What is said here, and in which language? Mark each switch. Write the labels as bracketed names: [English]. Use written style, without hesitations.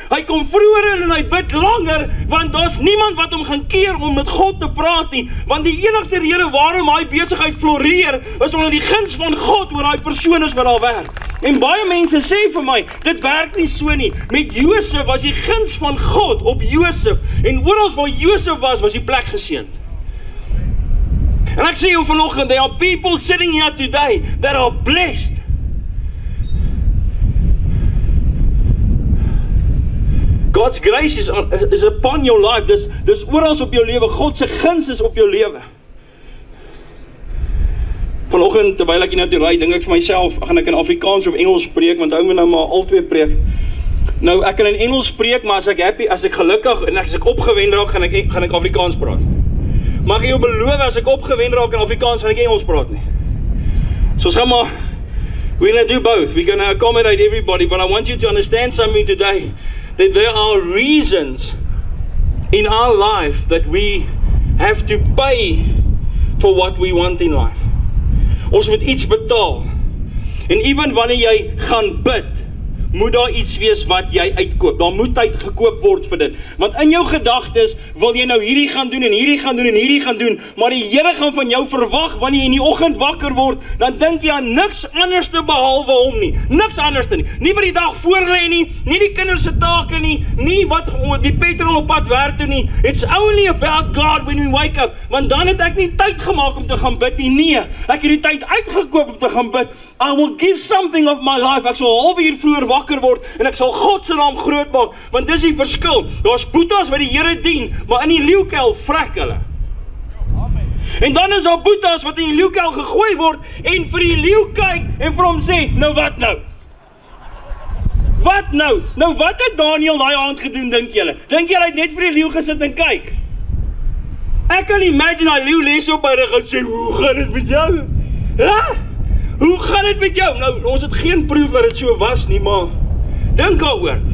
[Afrikaans] Hy kom vroeër in en hy bid langer, want daar's niemand wat hom gaan keer om met God te praat nie, want die enigste rede waarom hy besigheid floreer, is onder die guns van God oor daai persoon is wat daar werk. En baie mense sê vir my, dit werk nie so nie. Met Josef was die guns van God op Josef. En oral waar Josef was, was die plek geseën. En ek sê jou vanoggend, [English] there are people sitting here today that are blessed. God's grace is upon your life. [Afrikaans] Dis oral op jou lewe. God se guns is op jou lewe. Vanoggend terwyl ek hier na toe ry, dink ek vir myself, gaan ek in Afrikaans of Engels preek, want hou my nou maar al twee preek. Nou ek kan in Engels preek, maar as ek happy, as ek gelukkig en as ek opgewend raak, gaan ek Afrikaans praat. Mag ek jou beloof as ek opgewend raak in Afrikaans, gaan ek Engels praat nie. So ons gaan maar, [English] we're gonna do both. We're gonna accommodate everybody, but I want you to understand something today, that there are reasons in our life that we have to pay for what we want in life. [Afrikaans] Ons moet iets betaal. En even wanneer jy gaan bid, moet daar iets wees wat jy uitkoop. Daar moet tyd gekoop word vir dit. Want in jou gedagtes wil jy nou hierdie gaan doen en hierdie gaan doen en hierdie gaan doen, maar die Here gaan van jou verwag wanneer jy in die oggend wakker word, dan dink jy aan niks anders te behalwe hom nie. Niks anders te nie. Nie by die dag voor lê nie, nie die kinders se take nie, nie wat die petrol op pad werk toe nie. [English] It's only about God when we wake up. [Afrikaans] Want dan het ek nie tyd gemaak om te gaan bid nie. Nee, ek het die tyd uitgekoop om te gaan bid. [English] I will give something of my life. [Afrikaans] Ek sal 'n halfuur vroeër wakker word en ek sal God se naam groot maak, want dis die verskil. Daar's boetas wat die Here dien, maar in die leeukel vrek hulle. En dan is daar boetas wat in die leeukel gegooi word en vir die leeu kyk en vir hom sê, "Nou wat nou?" Wat nou? Nou wat het Daniel daai aand gedoen dink julle? Dink julle hy het net vir die leeu gesit en kyk? Ek kan imagine daai leeu lê so op hy rug en sê, "Hoe gaan dit met jou?" Hæ? Hoe gaan dit met jou? Nou, ons het geen proef dat dit so was nie, maar dink daaroor.